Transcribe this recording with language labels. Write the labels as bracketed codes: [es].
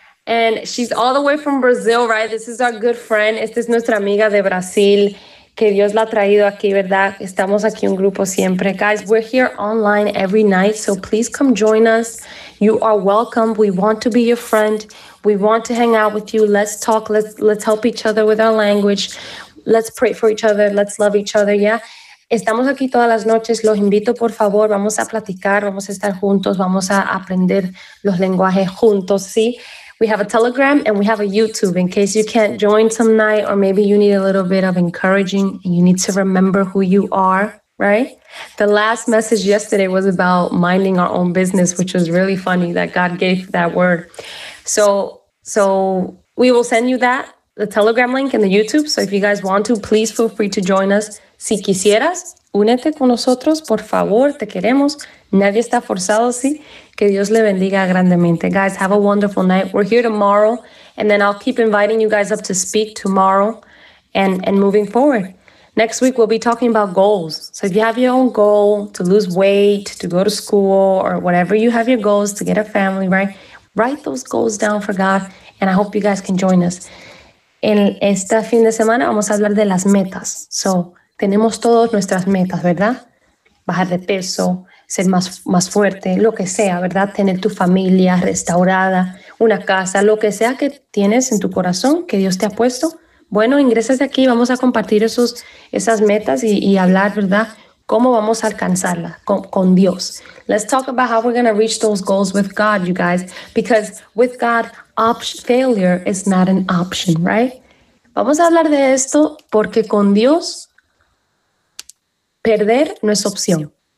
[en] And she's all the way from Brazil, right? This is our good friend. [es] Esta es nuestra amiga de Brasil, que Dios la ha traído aquí, ¿verdad? Estamos aquí un grupo siempre. [en] Guys, we're here online every night, so please come join us. You are welcome. We want to be your friend. We want to hang out with you. Let's talk. Let's help each other with our language. Let's pray for each other. Let's love each other, yeah? [es] Estamos aquí todas las noches. Los invito, por favor. Vamos a platicar. Vamos a estar juntos. Vamos a aprender los lenguajes juntos, ¿sí? [en] We have a Telegram and we have a YouTube in case you can't join some night or maybe you need a little bit of encouraging and you need to remember who you are, right? The last message yesterday was about minding our own business, which was really funny that God gave that word. So we will send you that, the Telegram link and the YouTube. So if you guys want to, please feel free to join us. [es] Si quisieras, únete con nosotros, por favor, te queremos. Nadie está forzado, sí. Que Dios le bendiga grandemente. [en] Guys, have a wonderful night. We're here tomorrow, and then I'll keep inviting you guys up to speak tomorrow and moving forward. Next week, we'll be talking about goals. So if you have your own goal to lose weight, to go to school, or whatever you have your goals, to get a family, right? Write those goals down for God, and I hope you guys can join us. [es] En este fin de semana vamos a hablar de las metas. So tenemos todas nuestras metas, ¿verdad? Bajar de peso, ser más fuerte, lo que sea, ¿verdad? Tener tu familia restaurada, una casa, lo que sea que tienes en tu corazón, que Dios te ha puesto. Bueno, ingresas de aquí, vamos a compartir esas metas y hablar, ¿verdad? ¿Cómo vamos a alcanzarlas con Dios? [en] Let's talk about how we're going to reach those goals with God, you guys. Because with God, failure is not an option, right? [es] Vamos a hablar de esto porque con Dios, perder no es opción.